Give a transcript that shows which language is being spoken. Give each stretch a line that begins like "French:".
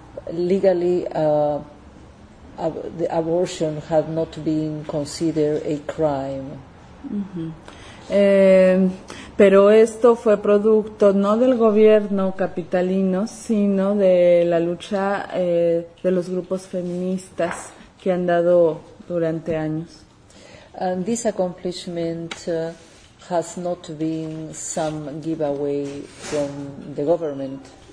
English: Legally, the abortion had not been considered a crime. Mm-hmm.
Spanish: Pero esto fue producto no del gobierno capitalino, sino de la lucha de los grupos feministas que han dado durante años.
English: And this accomplishment has not been some giveaway from the government.